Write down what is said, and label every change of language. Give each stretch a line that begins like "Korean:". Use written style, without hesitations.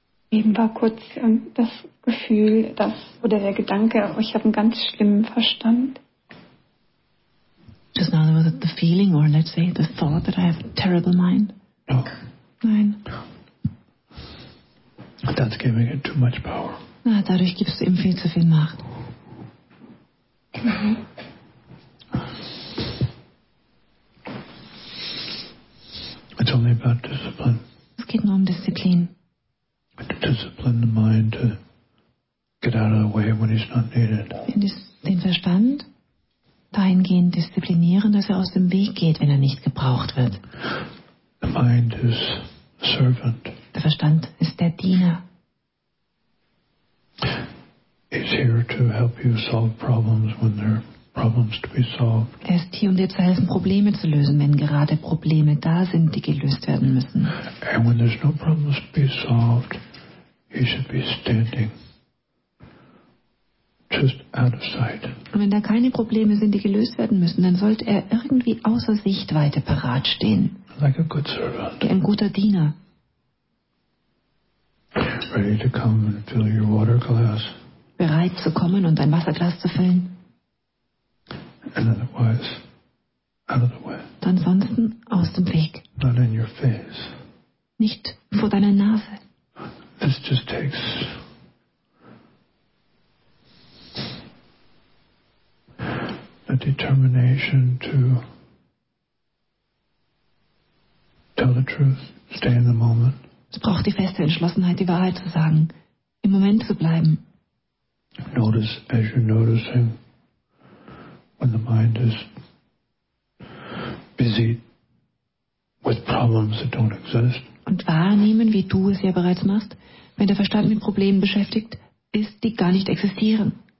German: Eben war kurz das Gefühl, dass, oder der Gedanke, ich habe einen ganz schlimmen Verstand.
English: Just now there was the feeling, or let's say the thought that I have a terrible mind. No.
German: Nein.
English: No. That's giving it too much power.
German: Na, dadurch gibst du ihm viel zu viel Macht.
English: It's only about discipline.
German: Es geht nur um Disziplin.
English: To discipline the mind to get out of the way when he's not needed.
German: Den Verstand dahingehend disziplinieren, dass er aus dem Weg geht, wenn er nicht gebraucht wird.
English: The mind is servant.
German: Der Verstand ist der Diener.
English: He's here to help you solve problems when there are problems to be solved.
German: Er ist hier, um dir zu helfen, Probleme zu lösen, wenn gerade Probleme da sind, die gelöst werden müssen.
English: And when there's no problems to be solved, he should be standing. Just out of sight.
German: Und wenn da keine Probleme sind, die gelöst werden müssen, dann sollte er irgendwie außer Sichtweite parat stehen.
English: Like a good servant.
German: Wie ein guter Diener.
English: Ready to come and fill your water glass.
German: Bereit zu kommen und dein Wasserglas zu füllen.
English: And otherwise, out of the way.
German: Und ansonsten aus dem Weg.
English: Not in your face.
German: Nicht vor deiner Nase.
English: This just takes... a determination to tell the truth, stay in the moment.
German: Es braucht die feste Entschlossenheit, die Wahrheit zu sagen, im Moment zu bleiben.
English: Notice as you're noticing when the mind is busy with problems that don't exist.
German: Und wahrnehmen, wie du es ja bereits machst, wenn der Verstand mit Problemen beschäftigt ist, die gar nicht existieren.